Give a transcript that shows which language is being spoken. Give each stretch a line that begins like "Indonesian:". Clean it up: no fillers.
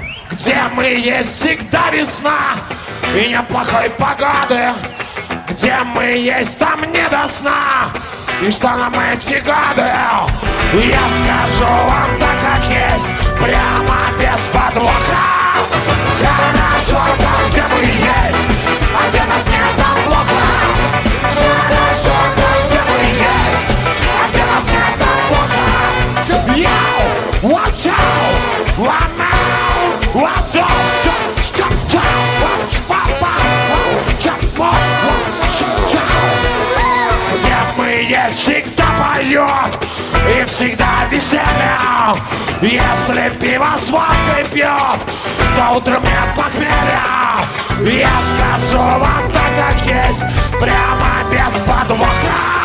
Russian: где мы есть всегда весна и неплохой погоды, где мы есть, там не до сна, и что нам эти годы, я скажу вам так, как есть, прямо без подвоха. Хорошо там, где мы есть, а где нас нет, там плохо. Хорошо там, где мы есть, а где нас нет, там плохо. Йоу,
English: watch out, run out, watch out, jump, jump, watch, pop, pop, jump, pop, watch out.
Russian: Где мы есть, всегда поет и всегда веселье. Если пиво с водкой пьет, то утром нет похмелья. Я скажу вам так, как есть, прямо без подвоха.